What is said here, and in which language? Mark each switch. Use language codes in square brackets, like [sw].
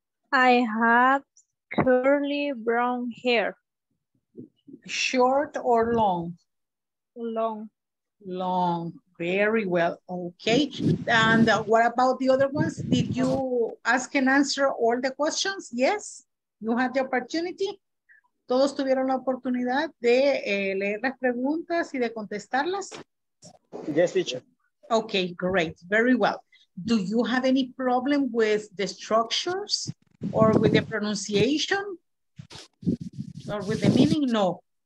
[en] I have curly brown hair. Short or long? Long. Long. Very well. Okay. And what about the other ones? Did you ask and answer all the questions? Yes. You had the opportunity. [es] ¿Todos tuvieron la oportunidad de leer las preguntas y de contestarlas? [en] Yes, teacher. Okay, great. Very well. Do you have any problem with the structures or with the pronunciation or with the meaning? No.